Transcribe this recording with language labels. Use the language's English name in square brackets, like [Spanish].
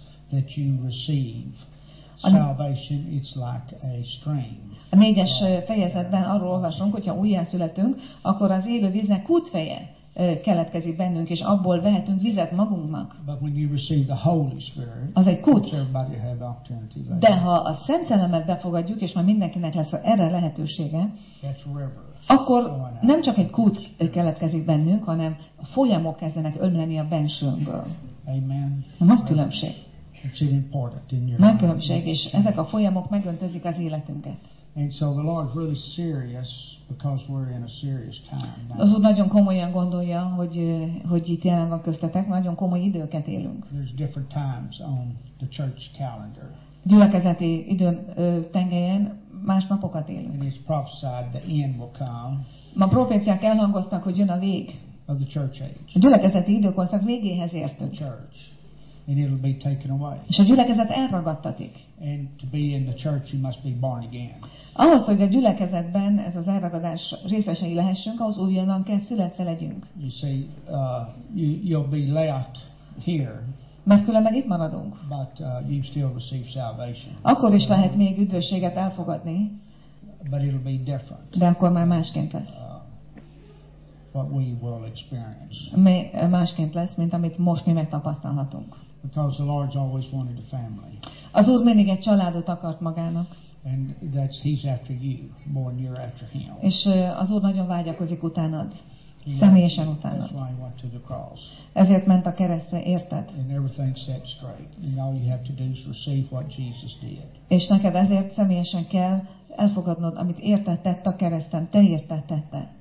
[English] That you receive salvation, it's like a stream. [Hungarian] A négyes fejezetben arról olvasunk, hogyha újjászületünk, akkor az élő víznek kútfeje keletkezik bennünk, és abból vehetünk vizet magunknak. [English] But when you receive the Holy Spirit, [Hungarian] az egy kút. [English] Everybody have opportunity later. [Hungarian] De ha a Szent Szellemet befogadjuk, és már mindenkinek lesz erre lehetősége, [English] that's river. [Hungarian] Akkor nem csak egy kút keletkezik bennünk, hanem folyamok kezdenek ömleni a bensőnkből. Amen. Nagy különbség. [English] It's important in your life. [Hungarian] Különbség, és ezek a folyamok megöntözik az életünket. [English] And so the Lord really serious because we're in a serious time. [Hungarian] Az Úr nagyon komolyan gondolja, hogy itt jelen van köztetek, nagyon komoly időket élünk. [English] There's different times on the church calendar. [Hungarian] Gyülekezeti időn tengelyen más napokat élünk. [English] And it's prophesied the end will come. [Hungarian] Ma proféciák elhangoztak, hogy jön a vég. [English] Of the church age. [Hungarian] A gyülekezeti időkorszak végéhez értünk. [English] The church. And it'll be taken away. [Hungarian] És a gyülekezet elragadtatik. [English] And to be in the church, you must be born again. [Hungarian] Ahhoz, hogy a gyülekezetben ez az elragadás részesei lehessünk, ahhoz újonnan kell születve legyünk. [English] You see, you'll be left here. [Hungarian] Mert különben itt maradunk. [English] But you still receive salvation. [Hungarian] Akkor is lehet még üdvösséget elfogadni. [English] But it'll be different. [Hungarian] De akkor már másként lesz. [English] What we will experience. [Hungarian] Másként lesz, mint amit most mi megtapasztalhatunk. [English] Because the Lord always wanted a family. [Hungarian] Az Úr mindig egy családot akart magának. [English] And that's He's after you, more than you're after Him. [Hungarian] És az Úr nagyon vágyakozik utánad, személyesen utánad. [English] That's why He went to the cross. [Hungarian] Ezért ment a keresztre, érted? [English] And everything's set straight. And all you have to do is receive what Jesus did. [Hungarian] És neked ezért személyesen kell elfogadnod, amit érted tett a kereszten, te érted tette.